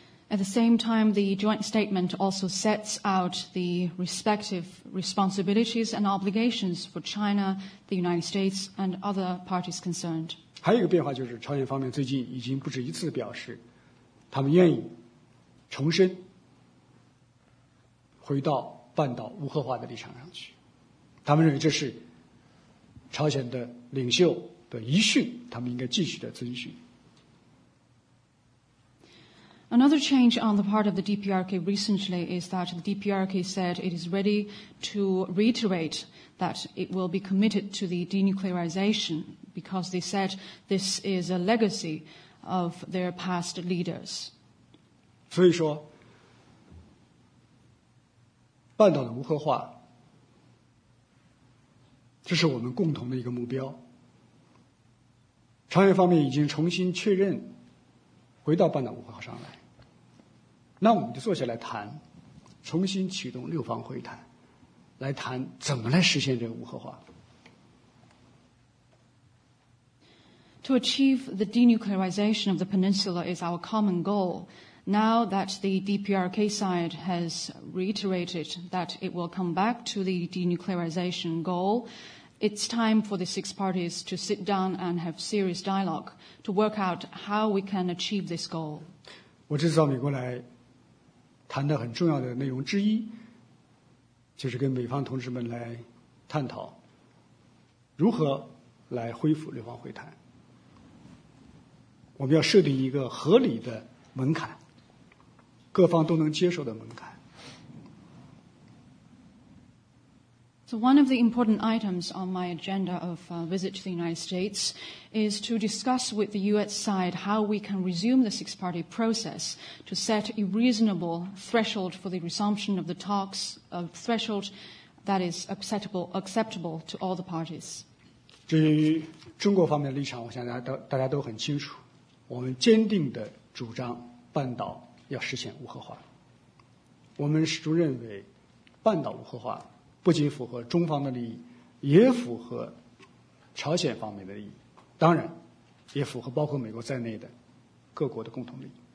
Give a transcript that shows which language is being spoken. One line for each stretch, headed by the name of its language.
English: At the same time, the joint statement also sets out the respective responsibilities and obligations for China, the United States, and other parties concerned.
Chinese: 还有一个变化就是朝鲜方面最近已经不止一次表示，他们愿意重申回到半岛无核化的立场上去。他们认为这是朝鲜的领袖的遗训，他们应该继续的遵循。
English: Another change on the part of the DPRK recently is that the DPRK said it is ready to reiterate that it will be committed to the denuclearization because they said this is a legacy of their past leaders.
Chinese: 所以说，半岛的无核化，这是我们共同的一个目标。朝鲜方面已经重新确认回到半岛无核化上来。那我们就坐下来谈，重新启动六方会谈，来谈怎么来实现这个无核化。
English: To achieve the denuclearization of the peninsula is our common goal. Now that the DPRK side has reiterated that it will come back to the denuclearization goal, it's time for the six parties to sit down and have serious dialogue to work out how we can achieve this goal.
Chinese: 我这次到美国来谈的很重要的内容之一，就是跟美方同志们来探讨如何来恢复六方会谈。我们要设定一个合理的门槛，各方都能接受的门槛。
English: So one of the important items on my agenda of visit to the United States is to discuss with the U.S. side how we can resume the six-party process to set a reasonable threshold for the resumption of the talks, a threshold that is acceptable to all the parties.
Chinese: 至于中国方面的立场，我想大家都很清楚，我们坚定地主张半岛要实现无核化。我们始终认为，半岛无核化不仅符合中方的利益，也符合朝鲜方面的利益，当然也符合包括美国在内的各国的共同利益。